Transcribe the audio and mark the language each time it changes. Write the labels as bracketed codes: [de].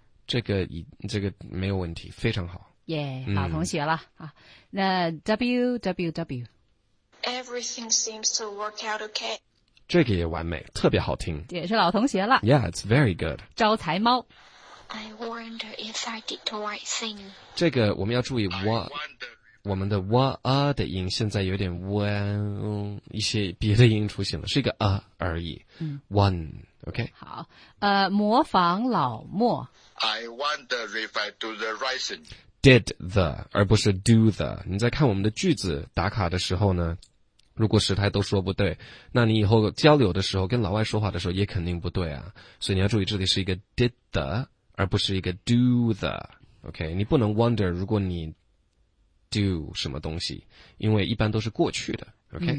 [zh] 这个没有问题，非常好。耶、yeah, 老同学了、嗯、啊，那 www。 [en] Everything seems to work out okay. [zh] 这个也完美，特别好听。也是老同学了。 [en] Yeah, it's very good. [zh] 招财猫。 [en] I wonder if I did the right thing. [zh] 这个我们要注意 我们的 wa 的音现在有点 wan， 一些别的音出现了，是一个而已。嗯 [en] ，one， OK。 [zh] 好，模仿老莫。 [en] I wonder if I do the right thing. [zh] Did the 而不是 do the， 你在看我们的句子打卡的时候呢，如果时态都说不对，那你以后交流的时候跟老外说话的时候也肯定不对啊，所以你要注意这里是一个 did the 而不是一个 do the， OK， 你不能 wonder 如果你 do 什么东西，因为一般都是过去的 OK、